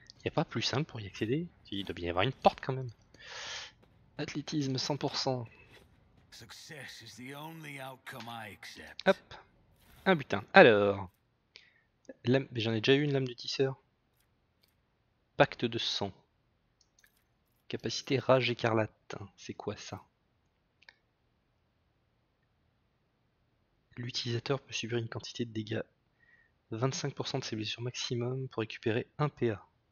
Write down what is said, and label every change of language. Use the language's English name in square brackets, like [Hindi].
[French] Y a pas plus simple pour y accéder. Il doit bien y avoir une porte quand même. Athlétisme 100%. [English] Success is the only outcome I accept. [French] Hop. Un butin. Alors. J'en ai déjà eu une lame de tisseur. Pacte de sang. Capacité rage écarlate. C'est quoi ça? L'utilisateur peut subir une quantité de dégâts. 25% de ses blessures maximum pour récupérer 1 PA.